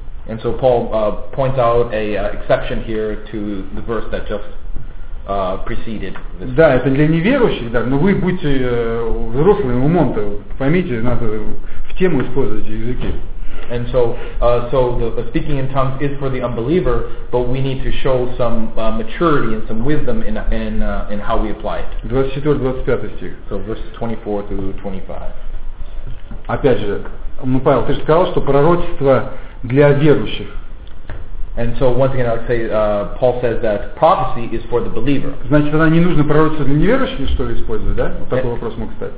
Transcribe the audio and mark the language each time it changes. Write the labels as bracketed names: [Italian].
[English] And so Paul points out a exception here to the verse that just preceded this. [Russian] Да, это для неверующих, да, но вы будьте взрослыми умом-то, поймите, надо в тему использовать языки. [English] And so, the speaking in tongues is for the unbeliever, but we need to show some maturity and some wisdom in how we apply it. [Russian] 24-25 стих. [English] So verses 24-25. [Russian] Опять же, ну, Павел, ты же сказал, что пророчество для верующих. [English] And so once again, I would say Paul says that prophecy is for the believer. [Russian] Значит, тогда не нужно пророчество для неверующих, что ли, использовать, да? Вот такой вопрос мог стать.